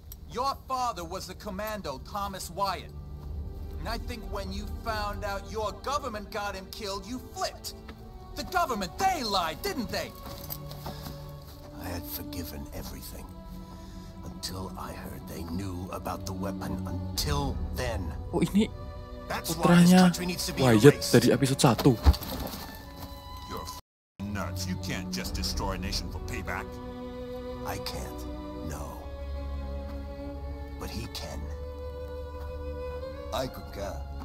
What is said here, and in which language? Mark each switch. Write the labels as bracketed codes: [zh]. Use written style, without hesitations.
[en] Your father was the commando, Thomas Wyatt. And I think when you found out your government got him killed, you flipped. The government, they lied, didn't they? I had forgiven everything. Until I heard they knew about the weapon. Until then. [id] Oh, ini putranya Wyatt dari episode 1. [en] You can't just destroy a nation for payback. I can't. No. But he can. I could care.